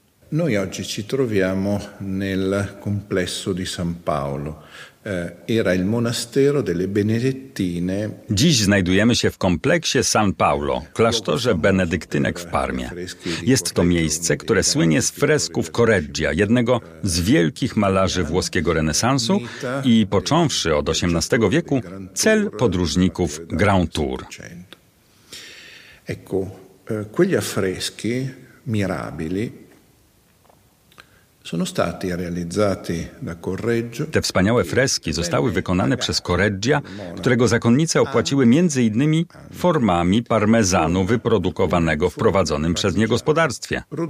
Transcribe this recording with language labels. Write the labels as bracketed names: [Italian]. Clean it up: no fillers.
[Italian] Noi oggi ci troviamo nel complesso di San Paolo. Era il monastero delle Benedettine. [Polish] Dziś znajdujemy się w kompleksie San Paolo, klasztorze benedyktynek w Parmie. Jest to miejsce, które słynie z fresków Correggia, jednego z wielkich malarzy włoskiego renesansu i począwszy od XVIII wieku cel podróżników Grand Tour. [Italian] Ecco, quegli affreschi mirabili sono stati realizzati da Correggio. [Polish] Te wspaniałe freski zostały wykonane przez Correggia, którego zakonnice opłaciły między innymi formami parmezanu wyprodukowanego w prowadzonym przez nie gospodarstwie.